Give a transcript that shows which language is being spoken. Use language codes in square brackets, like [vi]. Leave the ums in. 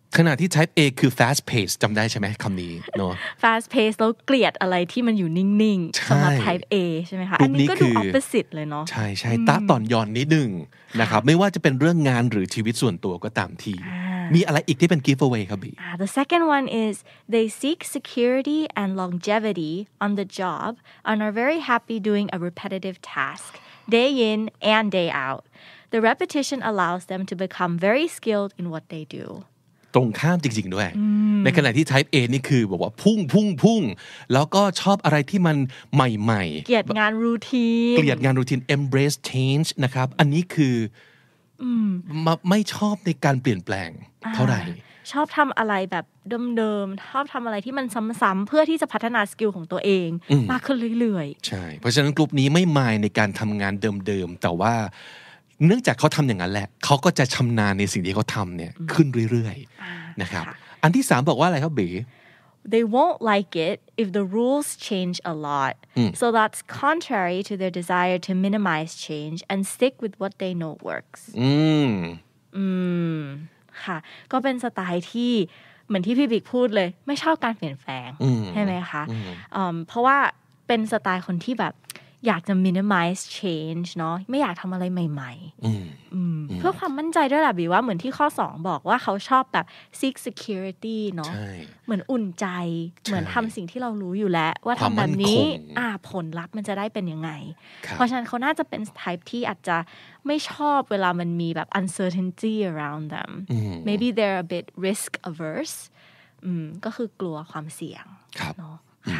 [th] ขณะที่ type A คือ fast pace จำได้ใช่ไหมคำนี้เนาะ fast pace แล้วเกลียดอะไรที่มันอยู่นิ่งๆสำหรับ type A ใช่ไหมคะอันนี้ก็ดู opposite เลยเนาะใช่ ใช่ตาตอนย้อนนิดหนึ่งนะครับไม่ว่าจะเป็นเรื่องงานหรือชีวิตส่วนตัวก็ตามทีมีอะไรอีกที่เป็น give away ครับบี [en] the second one is they seek security and longevity on the job and are very happy doing a repetitive task day in and day out the repetition allows them to become very skilled in what they [th] do ตรงข้ามจริงๆด้วยในขณะที่ type A นี่คือบอกว่าพุ่งพุ่งพุ่งแล้วก็ชอบอะไรที่มันใหม่ๆเ กลียดงานรูทีนเกลียดงา นรูทีน embrace change นะครับ อันนี้คือไม่ชอบในการเปลี่ยนแปลง เท่าไหร่ ชอบทำอะไรแบบเดิมๆชอบทำอะไรที่มันซ้ำๆเพื่อที่จะพัฒนาสกิลของตัวเองมากขึ้นเรื่อย ๆใช่เพราะฉะนั้นกลุ่มนี้ไม่มายในการทำงานเดิมๆแต่ว่าเนื่องจากเขาทําอย่างนั้นแหละเขาก็จะชํานาญในสิ่งที่เขาทำเนี่ยขึ้นเรื่อยๆนะครับ อันที่สามบอกว่าอะไรครับเบ๋ [en] They won't like it if the rules change a lot. So that's contrary to their desire to minimize change and stick with what they know works. [th] อืม อืม ค่ะ ก็เป็นสไตล์ที่เหมือนที่พี่บิ๊กพูดเลย ไม่ชอบการเปลี่ยนแปลงใช่ไหมคะเพราะว่าเป็นสไตล์คนที่แบบอยากจะ minimize change เนาะไม่อยากทำอะไรใหม่ ๆเพื่อความมั่นใจด้วยแหละบีว่าเหมือนที่ข้อสองบอกว่าเขาชอบแบบ seek security เนาะเหมือนอุ่นใจเหมือนทำสิ่งที่เรารู้อยู่แล้ว ว่าทำแบบนี้ อ่า ผลลัพธ์มันจะได้เป็นยังไงเพราะฉะนั้นเขาน่าจะเป็น type ที่อาจจะไม่ชอบเวลามันมีแบบ [en] uncertainty around them maybe they're a bit risk averse [th] ก็คือกลัวความเสี่ยงเ